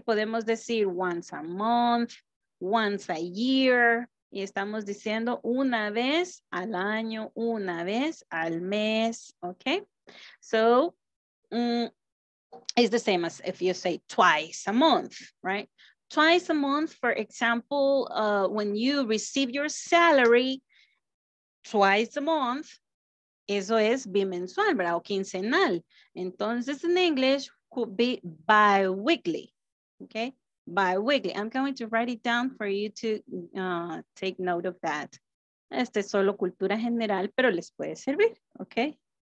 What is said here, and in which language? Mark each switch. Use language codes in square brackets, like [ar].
[es] Podemos decir [en] once a month, once a year, [es] y estamos diciendo una vez al año, una vez al mes, okay? [en] So it's the same as if you say twice a month, right? Twice a month, for example, when you receive your salary twice a month, [es] eso es bimensual, ¿verdad? O quincenal. [en] Entonces, in English, could be bi-weekly, okay? Bi-weekly. I'm going to write it down for you to take note of that. [es] Este es solo cultura general, pero les puede servir, okay?